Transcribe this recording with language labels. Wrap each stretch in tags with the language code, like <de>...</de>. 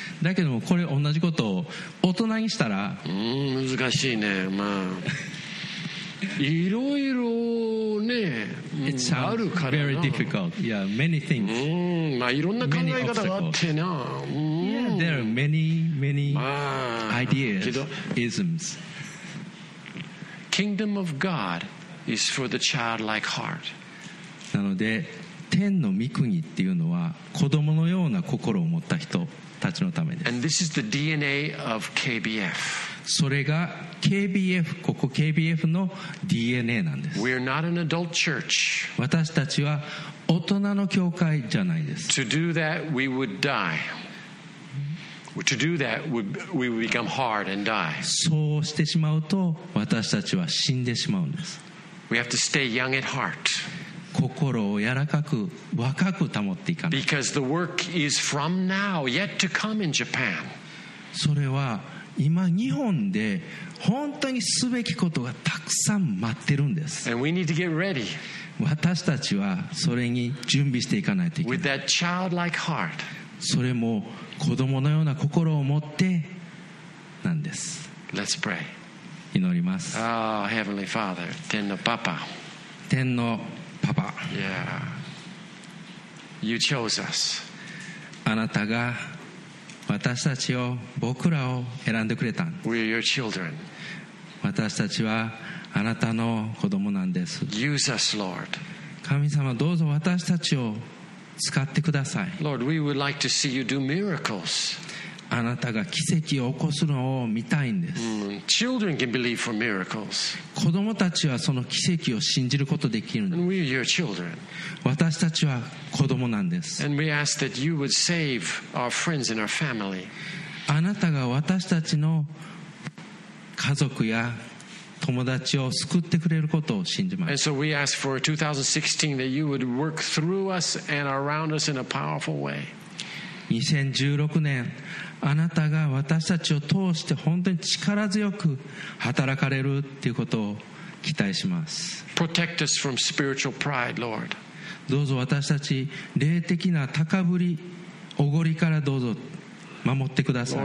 <ja>だけどもこれ同じことを大人にしたら、難しいね。まあ、いろいろね、あるからな。</ja> <en>Very difficult. Yeah, many things.</en> <ja>うん、まあいろんな考え方があってな。うん、</ja> <en>yeah, there are many, many ideas, isms. Kingdom of God is for the childlike heart.</en> <ja>なので、天の御国っていうのは子供のような心を持った人たちのためです。</ja> <en>And this is the DNA of KBF.</en> <ja>それが KBF、 ここ KBF の DNA なんです。</ja> <en>We are not an adult church.</en> <ja>私たちは大人の教会じゃないです。</ja> <en>To do that, we would die. To do that, we would become hard and die.</en> <ja>そうしてしまうと私たちは死んでしまうんです。</ja> <en>We have to stay young at heart.</en> <ja>心を柔らかく若く保っていかない。</ja> <en>Because the work is from now, yet to come in Japan.</en> <ja>それは今日本で本当にすべきことがたくさん待ってるんです。</ja> <en>And we need to get ready.</en> <ja>私たちはそれに準備していかないといけない。</ja> <en>With that childlike heart.</en> <ja>それも子供のような心を持ってなんです。</ja> <en>Let's pray.</en> <ja>祈ります。</ja> <en>Oh, Heavenly Father,</en> <ja>天のパパ、天のパパ、</ja> <en>Yeah. You chose us.</en> <ja>あなたが私たちを、僕らを選んでくれた。</ja> <en>We are your children.</en> <ja>私たちはあなたの子供なんです。</ja> <en>Use us, Lord.</en> <ja>神様、どうぞ私たちを使ってください。</ja> <en>Lord, we would like to see you do miracles.</en> <ja>あなたが奇跡を起こすのを見たいんです。</ja> <en>Children can believe for miracles.</en> <ja>子供たちはその奇跡を信じることができるんです。</ja> <en>And we are your children.</en> <ja>私たちは子供なんです。</ja> <en>And we ask that you would save our friends and our family.</en> <ja>あなたが私たちの家族や友達を救ってくれることを信じます。</ja> <en>And so we ask for 2016 that you would work through us and around us in a powerful way.</en> <ja>2016年、あなたが私たちを通して本当に力強く働かれるということを期待します。</ja> <en>Protect us from spiritual pride, Lord.</en> <ja>どうぞ私たち霊的な高ぶり、おごりからどうぞ守ってください。</ja>